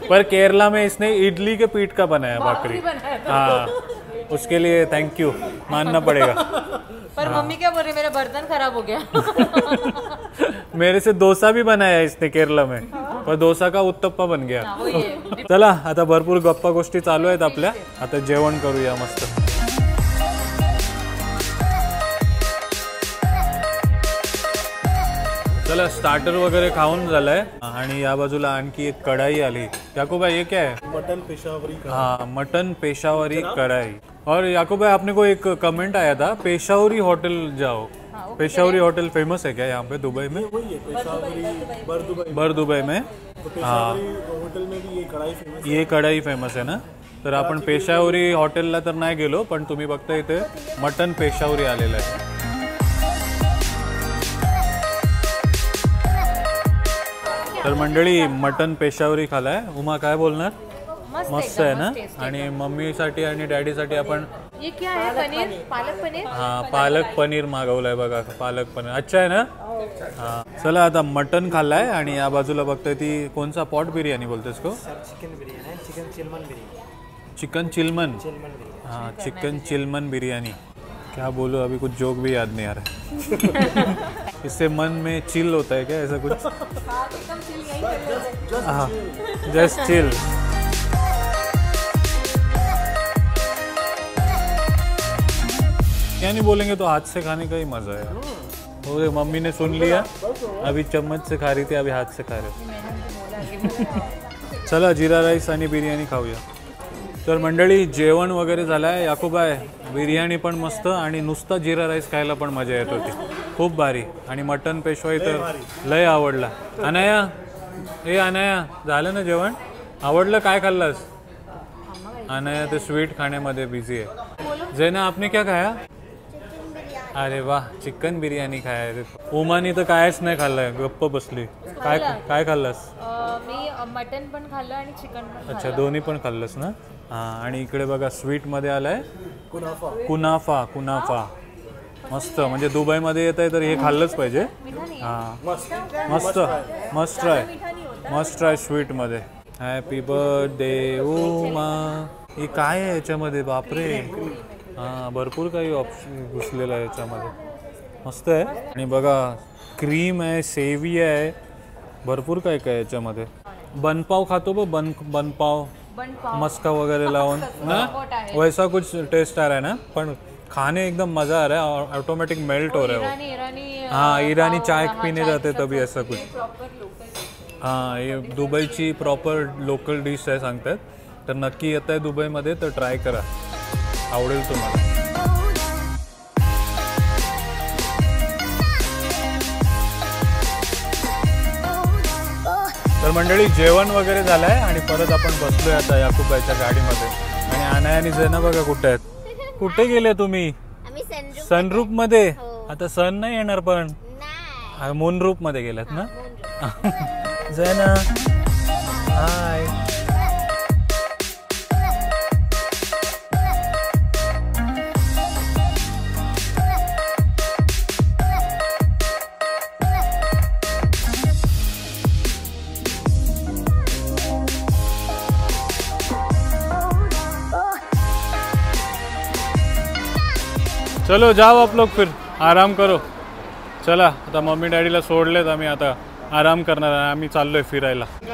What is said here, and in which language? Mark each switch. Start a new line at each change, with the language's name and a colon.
Hindi: पर केरला में इसने इडली के पीठ का बनाया भाकरी, हाँ उसके लिए थैंक यू मानना पड़ेगा। पर मम्मी क्या बोल रही, मेरा बर्तन खराब हो गया। मेरे से डोसा भी बनाया इसने केरला में, पर डोसा का उत्तप्पा बन गया।
Marathi: चला आता भरपूर गप्पा गोष्टी चालू आहेत आपल्या, आता जेवण करूया मस्त। चला स्टार्टर वगैरे खाऊन झालंय, आणि या बाजूला आणखी एक कढाई आली याकूब भाई,
Hindi: ये क्या है? मटन पेशावरी। हाँ मटन पेशावरी कढाई। और याकूब भाई आपने को एक कमेंट आया था पेशावरी होटल जाओ, पेशावरी होटल फेमस है क्या यहाँ पे दुबई में? वही है बर दुबई में। हाँ होटल में भी ये कढ़ाई फेमस है ना,
Marathi: तर आपण पेशावरी हॉटेलला तर नाही गेलो पण तुम्ही बघता इथे मटन पेशावरी आलेला आहे. तर मंडळी मटन पेशावरी खालाय. उमा काय बोलणार? मस्त आहे ना. आणि मम्मीसाठी आणि डॅडीसाठी आपण पालक पनीर मागवलंय बघा. पालक पनीर अच्छा आहे ना. हा चला आता मटन खाल्लाय आणि या बाजूला बघतोय ती कोणचा पॉट बिर्याणी बोलतेस को? चिकन चिलमन. हा चिकन चिलमन बिर्याणी.
Hindi: क्या बोलू अभी कुछ जोक भी याद नहीं आ रहा. इससे मन में चिल होता है क्या ऐसा कुछ? हाँ जस्ट चिल. क्या नहीं बोलेंगे तो हाथ से खाने का ही मजा है. वो तो मम्मी ने सुन लिया. अभी चम्मच से खा रही थी अभी हाथ से खा रहे.
Marathi: चला जीरा राइस आणि बिर्याणी खाऊया. तर मंडळी जेवण वगैरे झालंय. याकूबाय बिर्याणी पण मस्त आणि नुसता जिरा राईस खायला पण मजा येत होती. खूप भारी. आणि मटन पेशवाई तर लय आवडला. अनया ए अनया झालं ना जेवण? आवडलं काय खाल्लंस? अनया ते स्वीट खाण्यामध्ये बिझी आहे.
Hindi: जैना आपने क्या खाया? अरे वा चिकन बिर्याणी खाया.
Marathi: उमानी तर कायच नाही खाल्लंय. गप्प बसली. काय काय खाल्लंस? मी मटन पण खाल्लं आणि चिकन पण. अच्छा दोन्ही पण खाल्लंस ना. हा आणि इकडे बघा स्वीट मध्ये आलाय कुनाफा. कुनाफा मस्त. म्हणजे दुबई मध्ये येत आहे तर हे खाल्लंच पाहिजे. हा मस्त मस्त ट्राय मस्त ट्राय स्वीट मध्ये. Happy birthday Uma. हे काय आहे याच्यामध्ये? बापरे हा भरपूर काही ऑप्शन घुसलेलं आहे याच्यामध्ये. मस्त आहे. आणि बघा क्रीम आहे, सेवी आहे, भरपूर काही काय याच्यामध्ये. बनपाव खातो बघ.
Hindi: बनपाव मस्का वगैरे लावून ना वैसा कुछ टेस्ट आ रहा है ना. पण खाने एकदम मजा आ रहा है. ऑटोमेटिक मेल्ट हो रहा है. हाँ ईरानी चाय पीने जाते तभी ऐसा कुछ. हाँ ये दुबई ची प्रॉपर लोकल डिश है सांगतात.
Marathi: तर नक्की येतंय दुबई मध्ये तर ट्राय करा. आवडेल तुम्हाला. तर मंडळी जेवण वगैरे झालंय आणि परत आपण बसलोय आता याकूबाईच्या गाडीमध्ये. आणि अनाया आणि जैना बघा कुठे आहेत. कुठे गेले तुम्ही? सनरूप मध्ये. आता सन नाही येणार पण मून रूप मध्ये गेलात ना. जैना हाय.
Hindi: चलो जाओ आप लोग फिर आराम करो.
Marathi: चला आता मम्मी डॅडीला सोडलेत आम्ही. आता आराम करणार आहे. आम्ही चाललोय फिरायला.